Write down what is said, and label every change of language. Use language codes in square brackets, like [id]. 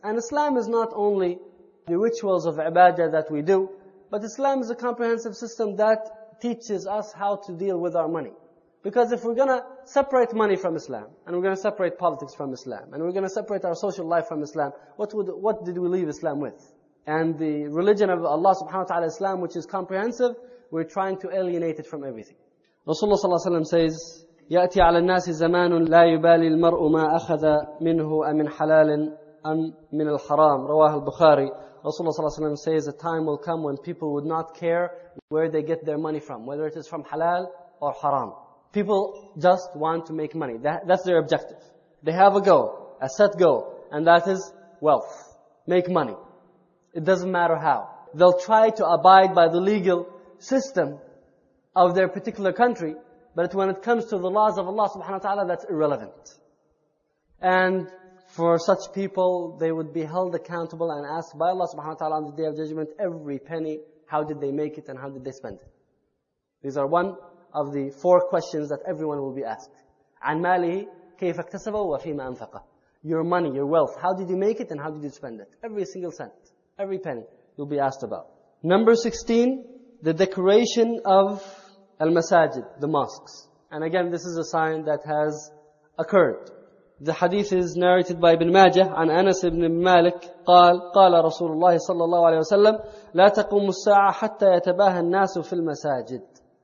[en] And Islam is not only the rituals of ibadah that we do, but Islam is a comprehensive system that teaches us how to deal with our money. Because if we're going to separate money from Islam, and we're going to separate politics from Islam, and we're going to separate our social life from Islam, what did we leave Islam with? and the religion of Allah subhanahu wa ta'ala Islam, which is comprehensive, we're trying to alienate it from everything. Rasulullah sallallahu alayhi wa sallam says, [ar] يأتي على الناس زمان لا يبالي المرء ما أخذ منه أمن حلال أم من الحرام رواه البخاري. [en] Rasulullah sallallahu alayhi wa sallam says, a time will come when people would not care where they get their money from, whether it is from halal or haram. People just want to make money. That's their objective. They have a goal, a set goal, and that is wealth. Make money. It doesn't matter how. They'll try to abide by the legal system of their particular country, but when it comes to the laws of Allah subhanahu wa ta'ala, that's irrelevant. And for such people, they would be held accountable and asked by Allah subhanahu wa ta'ala on the Day of Judgment, every penny, how did they make it and how did they spend it? These are one of the four questions that everyone will be asked. [ar] عَنْ مَالِهِ كَيْفَ اكْتَسَبَهُ وَفِيمَ أَنْفَقَ. [en] Your money, your wealth, how did you make it and how did you spend it? Every single cent, every penny, you'll be asked about. Number 16, the decoration of al-masajid, the mosques. And again, this is a sign that has occurred. The hadith is narrated by Ibn Majah, [ar] عن أنس بن مالك قال قال رسول الله صلى الله عليه وسلم لا تقوم الساعة حتى يتباهى الناس في المساجد.